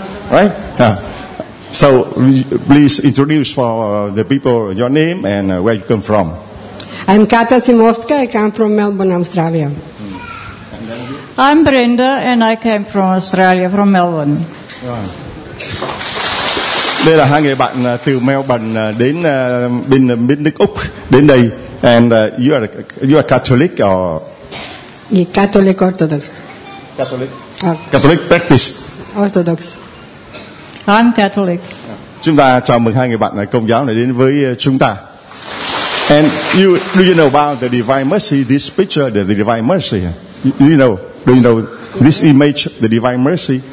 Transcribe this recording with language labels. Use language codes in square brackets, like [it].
[en] Right? So please introduce for the people your name and where you come from. I'm Kata Simowska. I come from Melbourne, Australia. I'm Brenda, and I came from Australia, from Melbourne. [vi] Đây là hai người bạn từ Melbourne đến bên bên nước Úc đến đây. [en] And you are Catholic or? Yeah, Catholic Orthodox. Catholic. Catholic practice. Orthodox. I'm Catholic. [vi] Chúng ta chào mừng hai người bạn Công giáo này đến với chúng ta. [en] And you, do you know about the Divine Mercy? This picture, the Divine Mercy. Do you know this image, the Divine Mercy?